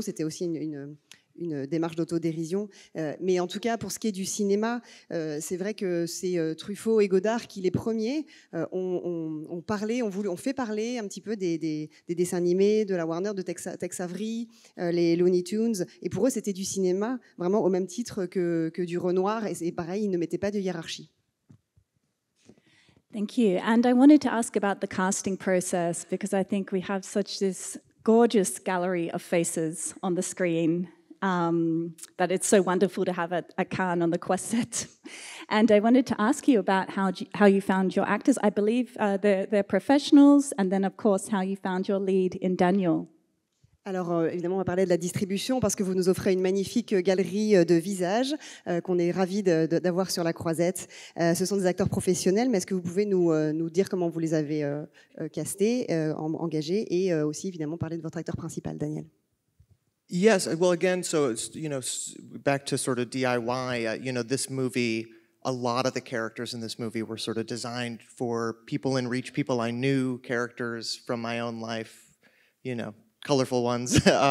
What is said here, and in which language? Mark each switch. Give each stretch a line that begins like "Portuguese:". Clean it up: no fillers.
French: C'était aussi une démarche d'autodérision. Mais en tout cas, pour ce qui est du cinéma, c'est vrai que c'est Truffaut et Godard qui, les premiers, ont fait parler un petit peu des dessins animés, de la Warner, de Tex Avery, les Looney Tunes. Et pour eux, c'était du cinéma, vraiment au même titre que du Renoir. Et pareil, ils ne mettaient pas de hiérarchie.
English: Thank you. And I wanted to ask about the casting process, because I think we have such this gorgeous gallery of faces on the screen. That it's so wonderful to have a Cannes on the Quest set. And I wanted to ask you about how you found your actors. I believe they're professionals, and then, of course, how you found your lead in Daniel.
French: Alors, évidemment, on va parler de la distribution parce que vous nous offrez une magnifique galerie de visages qu'on est ravis d'avoir sur la croisette. Ce sont des acteurs professionnels, mais est-ce que vous pouvez nous dire comment vous les avez castés, engagés, et aussi, évidemment, parler de votre acteur principal, Daniel?
English: Yes, well, again, so, it's, you know, back to sort of DIY, you know, this movie, a lot of the characters in this movie were sort of designed for people in reach, people I knew, characters from my own life, you know, colorful ones.